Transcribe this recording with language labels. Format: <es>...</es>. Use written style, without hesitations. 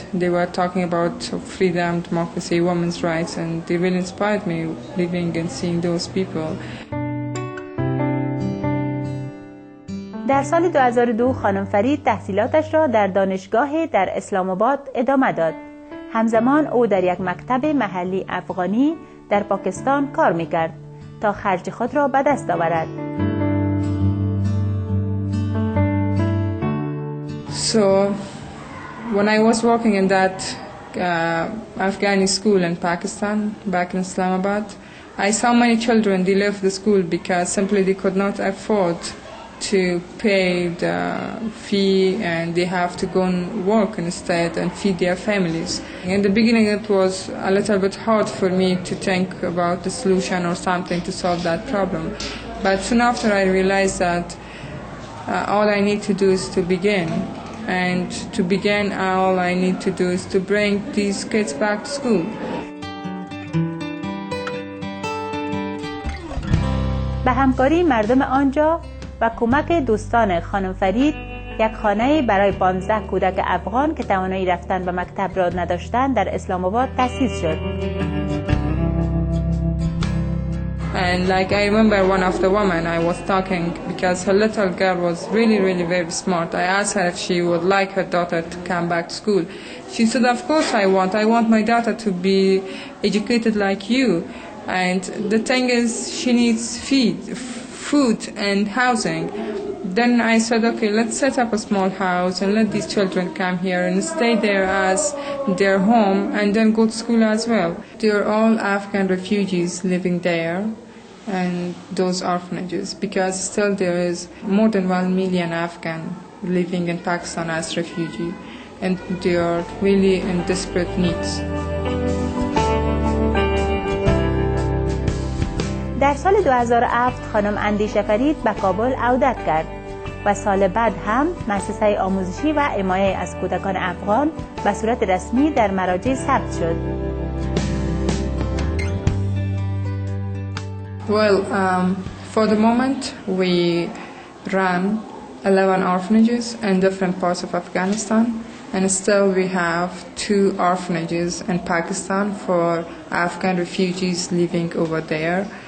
<en>They were talking about freedom, democracy, women's rights, and they really inspired me living and seeing those people.</en> <fa>در سال 2002 خانم فرید تحصیلاتش را در دانشگاه در اسلام آباد ادامه داد. همزمان او در یک مکتب محلی افغانی در پاکستان کار می‌کرد تا خرج خود را به دست آورد.</fa> <en>So when I was working in that Afghani school in Pakistan, back in Islamabad, I saw many children, they left the school because simply they could not afford to pay the fee and they have to go and work instead and feed their families. In the beginning it was a little bit hard for me to think about a solution or something to solve that problem. But soon after I realized that all I need to do is to begin. And to begin, all I need to do is to bring these kids back to school.</en> <fa>به همکاری مردم آنجا و کمک دوستان خانم فرید، یک خانه برای 15 کودک افغان که توانایی رفتن به مکتب را نداشتند در اسلام آباد تأسیس شد.</fa> <en>And like I remember one of the women I was talking because her little girl was really really very smart. I asked her if she would like her daughter to come back to school. She said, "Of course I want. I want my daughter to be educated like you." And the thing is, she needs food and housing. Then I said, "Okay, let's set up a small house and let these children come here and stay there as their home and then go to school as well." They are all Afghan refugees living there. And those orphanages, because still there is more than 1 million Afghan living in Pakistan as refugee, and they are really in desperate needs.</en> <fa>در سال 2007 خانم اندیشه فرید به کابل عودت کرد و سال بعد هم مؤسسه آموزشی و حمایه از کودکان افغان به صورت رسمی در مراجع ثبت شد.</fa> <en>Well, for the moment, we run 11 orphanages in different parts of Afghanistan, and still we have 2 orphanages in Pakistan for Afghan refugees living over there.</en>